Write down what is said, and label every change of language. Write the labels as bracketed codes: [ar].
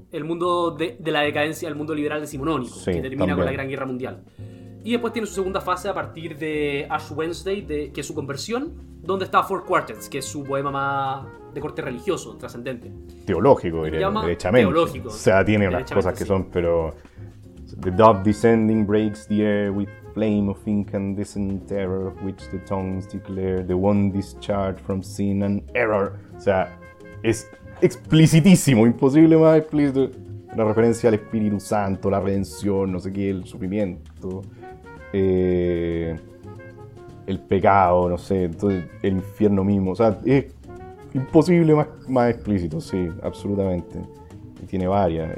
[es] El mundo de la decadencia, el mundo liberal decimonónico, sí, que termina también con la Gran Guerra Mundial. Y después tiene su segunda fase a partir de Ash Wednesday, que es su conversión, donde está Four Quartets, que es su poema más de corte religioso, trascendente. Teológico, diría, derechamente. Teológico. O sea, tiene unas cosas que sí son, pero... [en] The dove descending breaks the air with flame of incandescent terror of which the tongues declare the one discharged from sin and error. [es] O sea, es explicitísimo, imposible más explícito. La referencia al Espíritu Santo, la redención, no sé qué, el sufrimiento, el pecado, no sé, entonces el infierno mismo. O sea, es imposible más explícito, sí, absolutamente. Y tiene varias.